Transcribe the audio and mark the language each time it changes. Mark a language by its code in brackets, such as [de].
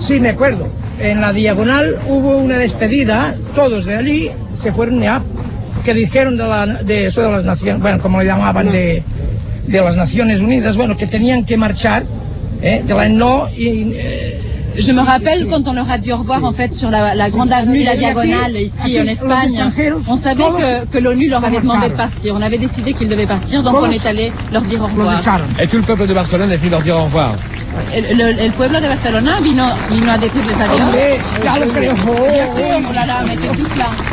[es] Sí, me acuerdo. En la Diagonal hubo una despedida, todos de allí se fueron ya, que dijeron de las Naciones, bueno, como le llamaban de las Naciones Unidas, bueno, que tenían que marchar, de la ENO y... [fr] Je me rappelle quand on leur a dit au revoir en fait sur la grande avenue, la Diagonale ici en Espagne. On savait que l'ONU leur avait demandé de partir. On avait décidé qu'ils devaient partir, donc on est allé leur dire au revoir. Et tout le peuple de Barcelone est venu leur dire au revoir. [es] El pueblo de Barcelona vino a decirles adiós. [fr] Bien sûr, on était tous là.